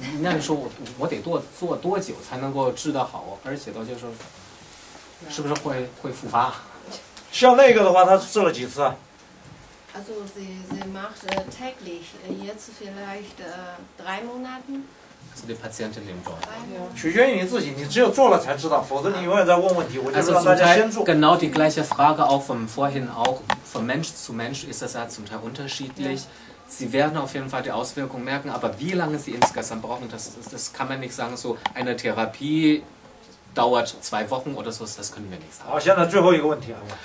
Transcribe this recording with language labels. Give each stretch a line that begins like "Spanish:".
Chinese: 那你说我得做多久才能够治得好，而且到就是是不是会复发？像那个的话，他治了几次啊？
German: Also sie macht täglich jetzt vielleicht drei Monate. Also die Patienten nehmen dort.
Chinese: 取决于你自己，你只有做了才知道，否则你永远在问问题。我就让大家先做。
German: Genau die gleiche Frage auch von vorhin auch von Mensch zu Mensch ist das ja zum Teil unterschiedlich. Sie werden auf jeden Fall die Auswirkungen merken, aber wie lange sie insgesamt brauchen, das kann man nicht sagen. So eine Therapie dauert zwei Wochen oder so, das können wir nicht sagen.
Chinese: 好，现在最后一个问题啊。